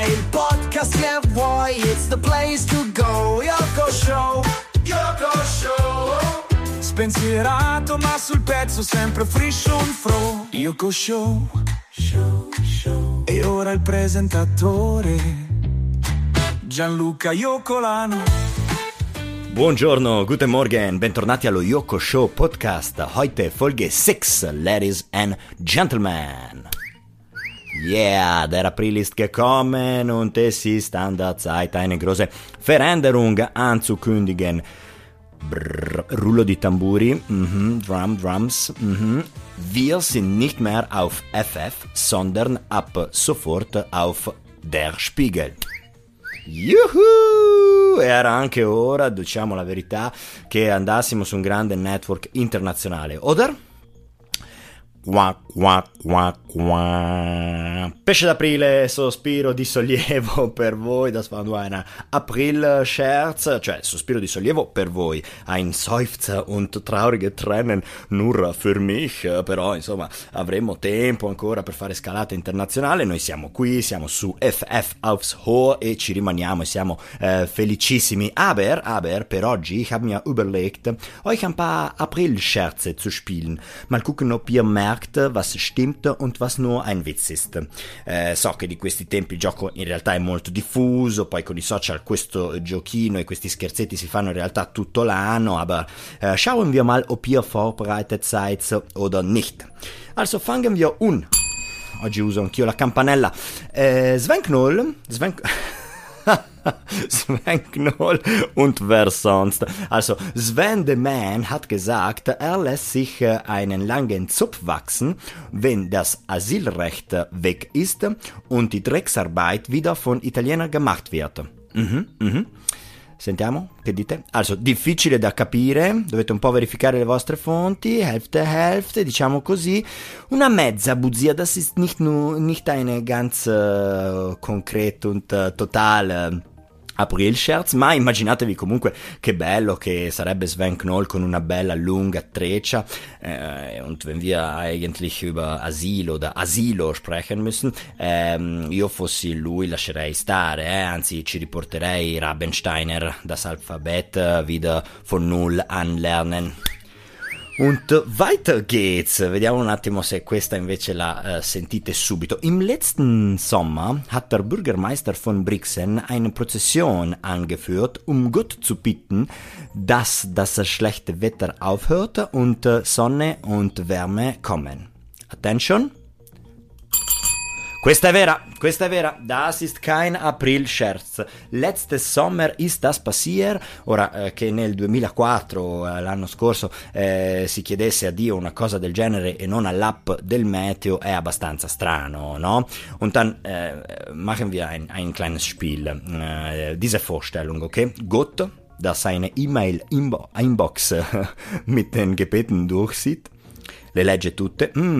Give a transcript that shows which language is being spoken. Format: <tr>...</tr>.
<en>podcast get why it's the place to go. Yoko Show, Yoko Show.</en> <it>Spensierato ma sul pezzo sempre</it> <en>fresh on fro.</en> <it>Yoko Show, show, show. E ora il presentatore Gianluca Iocolano. Buongiorno,</it> <de>guten Morgen,</de> <it>bentornati allo Yoko Show Podcast.</it> <de>Heute Folge 6,</de> <en>Ladies and Gentlemen.</en> <de>Yeah, der Aprilist gekommen und es ist an der Zeit eine große Veränderung anzukündigen.</de> <it>Brrr, Rullo di tamburi, drums.</it> <de>Wir sind nicht mehr auf FF, sondern ab sofort auf der Spiegel. Juhu!</de> <it>Era anche ora, diciamo la verità, che andassimo su un grande network internazionale,</it> <de>oder?</de> <it>Qua, qua, qua, qua. Pesce d'aprile, sospiro di sollievo per voi,</it> <de>das war nur eine April-Scherz,</de> <it>cioè sospiro di sollievo per voi,</it> <de>ein Seufzer und traurige Tränen nur für mich,</de> <it>però insomma avremo tempo ancora per fare scalata internazionale, noi siamo qui, siamo su FF aufs Hohe e ci rimaniamo e siamo felicissimi.</it> <de>Aber,</de> <it>per oggi,</it> <de>ich hab mir überlegt, euch ein paar April-Scherze zu spielen, mal gucken ob ihr merkt was stimmt und was nur ein Witz ist.</de> <it>So che di questi tempi il gioco in realtà è molto diffuso, poi con i social questo giochino e questi scherzetti si fanno in realtà tutto l'anno,</it> <de>aber schauen wir mal ob ihr vorbereitet seid oder nicht. Also fangen wir un.</de> <it>Oggi uso anch'io la campanella.</it> <de>Sven Knoll und wer sonst? Also, Sven the Man hat gesagt, er lässt sich einen langen Zopf wachsen, wenn das Asylrecht weg ist und die Drecksarbeit wieder von Italienern gemacht wird.</de> <it>Sentiamo, che dite? Also, difficile da capire, dovete un po' verificare le vostre fonti,</it> <de>Hälfte, Hälfte,</de> <it>diciamo così. Una mezza bugia,</it> <de>das ist nicht nur, nicht eine ganz konkret und total April-Scherz,</de> <it>ma immaginatevi comunque che bello che sarebbe Sven Knoll con una bella lunga treccia,</it> <de>und wenn wir eigentlich über Asilo oder Asilo sprechen müssen,</de> <it>io fossi lui lascerei stare, anzi ci riporterei Rabensteiner,</it> <de>das Alphabet wieder von null anlernen. Und weiter geht's.</de> <it>Vediamo un attimo se questa invece la sentite subito.</it> <de>Im letzten Sommer hat der Bürgermeister von Brixen eine Prozession angeführt, um Gott zu bitten, dass das schlechte Wetter aufhört und Sonne und Wärme kommen.</de> <en>Attention.</en> <it>Questa è vera, questa è vera.</it> <de>Das ist kein April-Scherz. Letzte Sommer ist das passiert.</de> <it>Ora, che nel 2004, l'anno scorso, si chiedesse a Dio una cosa del genere e non all'app del meteo, è abbastanza strano, no?</it> <de>Und dann machen wir ein kleines Spiel. Diese Vorstellung, okay? Gott, der seine E-Mail Inbox mit den Gebeten durchsieht,</de> <it>le legge tutte.</it>